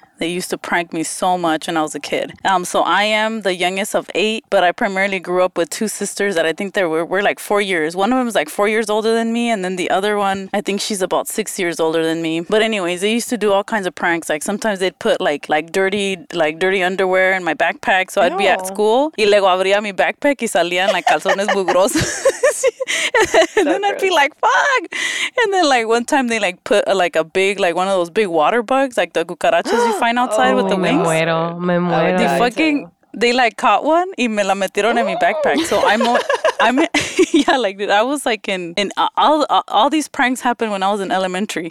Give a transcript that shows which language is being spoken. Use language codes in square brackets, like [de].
[en] They used to prank me so much when I was a kid. So I am the youngest of eight, but I primarily grew up with two sisters that I think we're like 4 years. One of them is like 4 years older than me. And then the other one, I think she's about 6 years older than me. But anyways, they used to do all kinds of pranks. Like sometimes they'd put like dirty underwear in my backpack. So I'd be at school. [es] Y luego abría mi backpack y salían like calzones mugrosos. [en] And then I'd be like, fuck. And then like one time they like put like a big, like one of those big water bugs, like the cucarachas you find outside with the wings. [es] Me muero. [en] They like caught one [es] y me la metieron [en] in my backpack. So all these pranks happened when I was in elementary.